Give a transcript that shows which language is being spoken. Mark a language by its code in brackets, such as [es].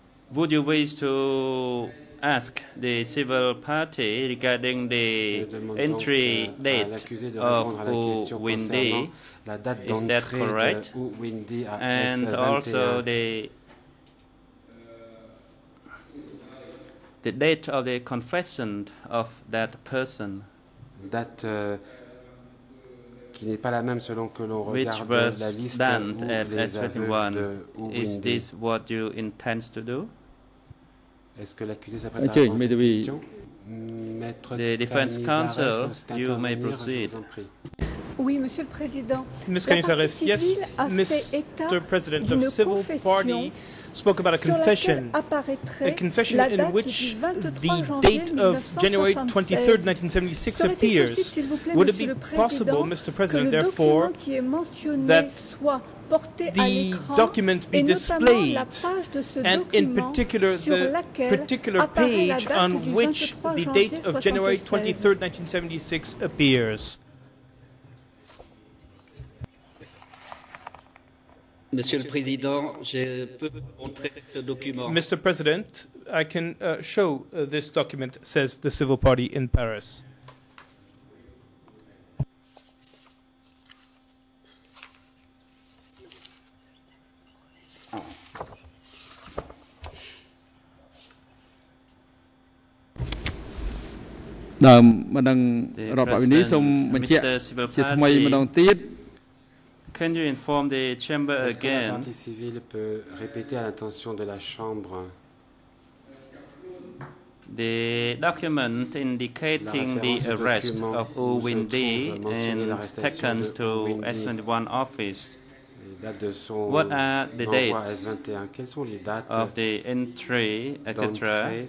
[en] Would you wish to ask the civil party regarding the entry date of Windy? [fr] La date d'entrée de où Windy a S21. [en] And also the date of the confession of that person. [fr] Date qui n'est pas la même selon que l'on regarde la liste ou les aveux de [en] Is this what you intend to do? [fr] Est-ce que l'accusé s'apprête à répondre à cette question? Maître [en] the defense counsel, you may proceed. [fr] Oui, Monsieur le Président. [en] Ms. Canizares, yes, Mr. President, the civil party spoke about a confession, a confession in which the date of January 23rd, 1976 appears. Would it be possible, Mr. President, therefore, that the document be displayed, and in particular the particular page on which the date of January 23rd, 1976 appears? [fr] Monsieur le Président, je peux montrer ce document. [en] Mr. President, I can show this document, says the civil party in Paris. The President, Mr. Civil Party, can you inform the chamber again? [fr] Est-ce que la partie civile peut répéter à l'intention de la chambre? [en] The document indicating the arrest of Wu Windi and taken to S21 office. [fr] Date de son [en] what are the dates [fr] S21? Quelles sont les dates [en] of the entry, etc.?